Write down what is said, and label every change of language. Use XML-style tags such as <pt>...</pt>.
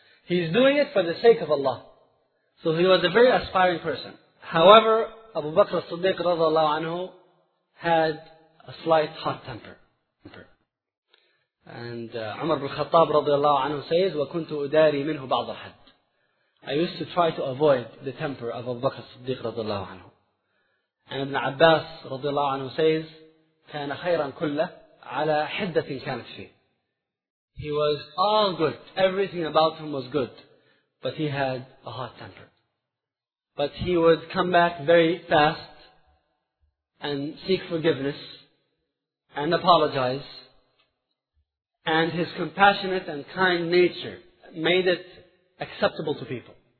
<en>He's doing it for the sake of Allah. So he was a very aspiring person. However, Abu Bakr al-Siddiq radiallahu anhu had a slight hot temper. And Umar ibn al-Khattab radiallahu anhu says,</en> <ar>وَكُنْتُ أُدَارِي مِنْهُ بَعْضَ حَدْ.</ar> <en>I used to try to avoid the temper of Abu Bakr al-Siddiq radiallahu anhu. And Ibn Abbas radiallahu anhu says,</en> <ar>كان خيرا كله على حدة كانت فيه.</ar> <en>He was all good. Everything about him was good. But he had a hot temper. But he would come back very fast and seek forgiveness and apologize. And his compassionate and kind nature made it acceptable to people.</en>